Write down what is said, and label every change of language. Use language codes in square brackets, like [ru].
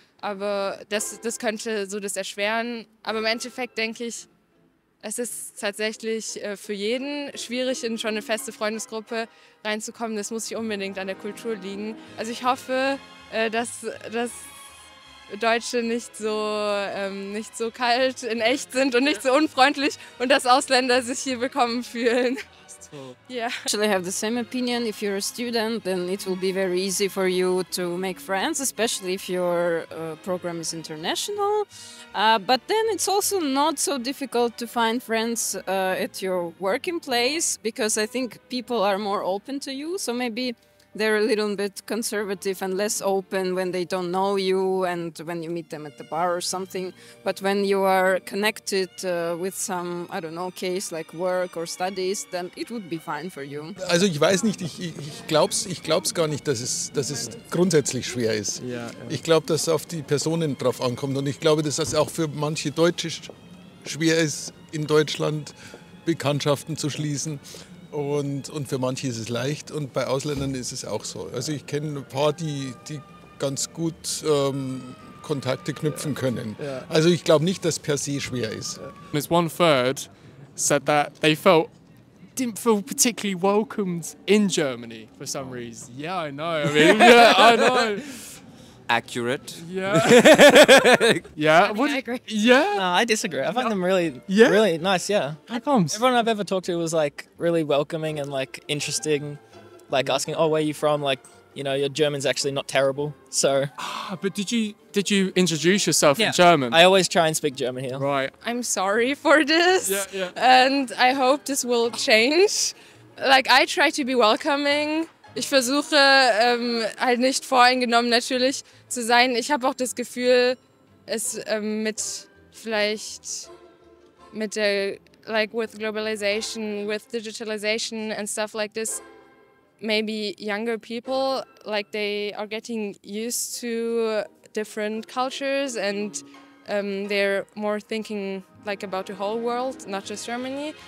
[de] Aber das könnte so das erschweren. Aber im Endeffekt denke ich, es ist tatsächlich für jeden schwierig, in schon eine feste Freundesgruppe reinzukommen. Das muss nicht unbedingt an der Kultur liegen. Also ich hoffe, dass Deutsche nicht so kalt in echt sind und nicht so unfreundlich und dass Ausländer sich hier willkommen fühlen. [en] Yeah. Actually, I have the same opinion. If you're a student, then it will be very easy for you to make friends, especially if your program is international. But then it's also not so difficult to find friends at your working place, because I think people are more open to you. So maybe they're a little bit conservative and less open when they don't know you and when you meet them at the bar or something. But when you are connected with some, I don't know, case like work or studies, then it would be fine for you. [de] Also ich weiß nicht, ich glaub's gar nicht, dass es grundsätzlich schwer ist. Ja, ja. Ich glaube, dass es auf die Personen drauf ankommt. Und ich glaube, dass es auch für manche Deutsche schwer ist, in Deutschland Bekanntschaften zu schließen. Und für manche ist es leicht und bei Ausländern ist es auch so. Also ich kenne ein paar, die ganz gut Kontakte knüpfen können. Also ich glaube nicht, dass per se schwer ist. [en] And it's one third said that they felt didn't feel particularly welcomed in Germany for some reason. Yeah, I know. I mean, yeah, I know. Accurate. Yeah. Yeah. I mean, I agree. Yeah. No, I disagree. I find them really, yeah, really nice. Yeah. How comes? Everyone I've ever talked to was like really welcoming and like interesting, like asking, "Oh, where are you from?" Like, you know, your German's actually not terrible. So. Ah, but did you introduce yourself in German? I always try and speak German here. Right. I'm sorry for this. Yeah, yeah. And I hope this will change. Like, I try to be welcoming. [de] Ich versuche halt nicht voreingenommen natürlich zu sein. Ich habe auch das Gefühl, es [en] with globalization, with digitalization and stuff like this, maybe younger people, like they are getting used to different cultures and they're more thinking like about the whole world, not just Germany.